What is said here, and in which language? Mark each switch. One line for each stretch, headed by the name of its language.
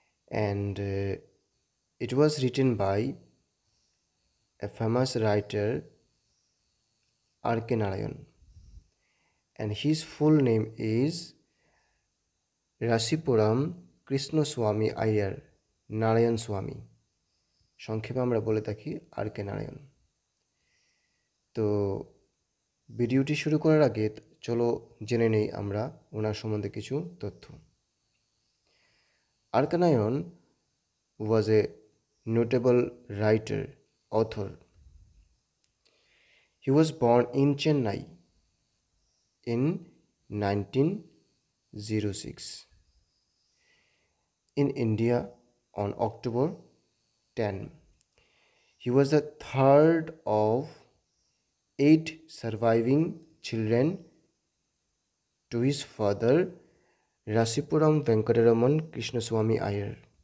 English: And it was written by a famous writer Arkenarayan. And his full name is Rasipuram Krishnaswamy Iyer Narayan Swami.
Bangla: সংক্ষেপে আমরা বলে থাকি আর কে নারায়ণ। তো ভিডিওটি শুরু করার আগে চলো জেনে নেই আমরা ওনার সম্বন্ধে কিছু তথ্য।
English: R K Narayan was a notable writer author. He was born in Chennai in 1906 in India on October 10. He was the third of eight surviving children to his father, Rasipuram Venkataraman Krishnaswamy Iyer.